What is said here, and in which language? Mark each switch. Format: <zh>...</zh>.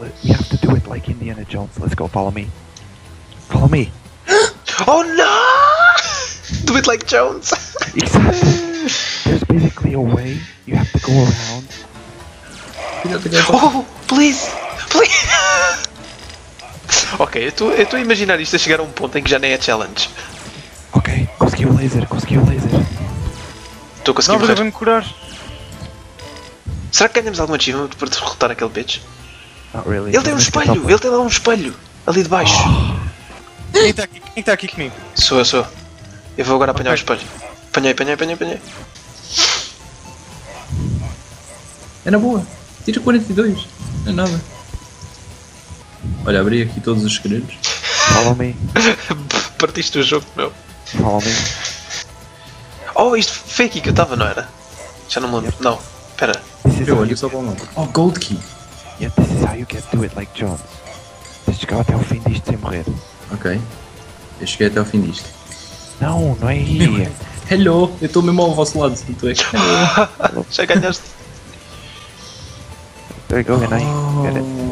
<en>You have to do it like Indiana Jones. Let's go, follow me. Follow me. Oh no! Do it like Jones! Exactly! There's basically a way you have to go around. Oh, please!</en> <pt>Ok, eu estou a imaginar isto a chegar a um ponto em que já nem é challenge. Ok, consegui o laser, Estou a conseguir morrer. Não, vou me curar! Será que ganhamos algum achievement por derrotar aquele bitch?</pt> <en>Not really.</en> <pt>Ele tem um espelho! Ele tem lá um espelho! Ali de baixo! Oh. Quem está aqui comigo? Sou. Eu vou agora apanhar o espelho. Apanhei. É na boa. Tira 42. Não é nada. Olha, abri aqui todos os segredos.</pt> <en>Follow me.</en> <pt>Partiste o jogo, meu.</pt> <en>Follow me.</en> <pt>Oh, isto foi aqui que eu estava, não era? Já não me lembro. Yep. Não. Espera. Eu olho só para o nome.</pt> <en>Oh, gold key. Yeah, this is how you get to it like Jones.</en> <pt>Tens de chegar até ao fim disto sem morrer. Ok. Eu cheguei até ao fim disto. Não, não é aí. Hello, eu estou mesmo ao vosso lado, se tu és. Já ganhaste.</pt> <en>There you go, and I get it.</en>